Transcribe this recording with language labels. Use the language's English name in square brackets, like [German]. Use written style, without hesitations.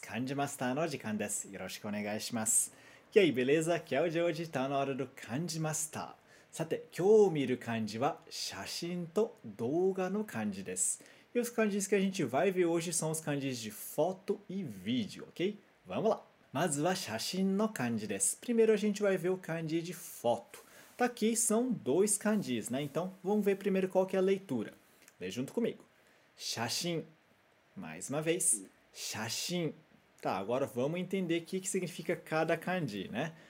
[Japanese] 漢字マスターの時間です。よろしくお願いします。いや、イベレーザ、今日ジョージとなる漢字マスター。さて、今日見る漢字は写真と動画の漢字です。 [Portuguese] e os kanjis que a gente vai ver hoje são os kanjis de foto e vídeo, ok? Vamos lá! [Japanese] まずは写真の漢字です。 [Portuguese] Primeiro a gente vai ver o kanji de foto. Tá aqui, são dois kanjis, né? Então, vamos ver primeiro qual que é a leitura. Lê junto comigo. 写真, mais uma vez. 写真.Tá, agora vamos entender o que que significa cada kanji, né?